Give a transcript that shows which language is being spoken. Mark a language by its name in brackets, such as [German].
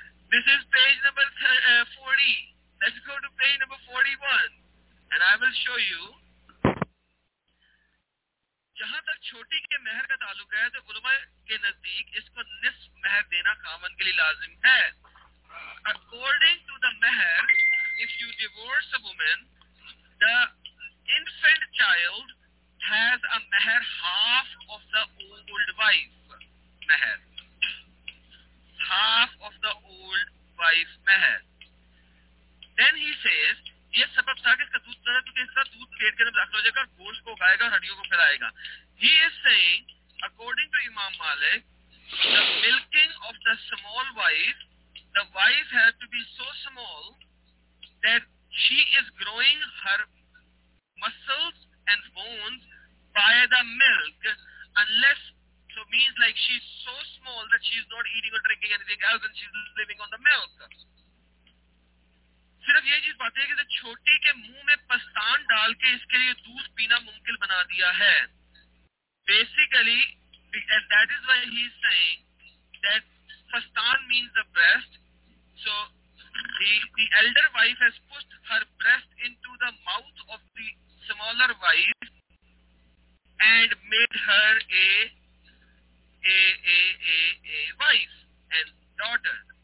[English] This is page number 40. Let's go to page number 41, and I will show you. [Urdu] جہاں تک چھوٹی کے مہر کا تعلق ہے تو علماء کے نزدیک اس کو نصف مہر دینا خاوند کے لیے لازم ہے. [English] According to the mehr, if you divorce a woman, the infant child has a mehr half of the old wife mehr. Half of the old wife mehr. Then he says, [Urdu] یہ سبب تھا کہ اس کا دودھ پیتا ہے, کیونکہ اس کا دودھ پیٹ کے اندر داخل ہو جائے گا, گوشت کو اگائے گا اور ہڈیوں کو پھیلائے گا. [English] He is saying, according to Imam Malik, the milking of the small wife, the wife has to be so small that she is growing her muscles and bones by the milk, unless, so means like she's so small that she's not eating or drinking anything else and she's living on the milk. [Urdu] صرف یہ چیز بات ہے کہ چھوٹی کے منہ میں پستان ڈال کے اس کے لیے دودھ پینا ممکن بنا دیا ہے. [English] Basically that is why he saying that پستان means the breast. So the elder wife has pushed her breast into the mouth of the smaller wife and made her a wife and daughter.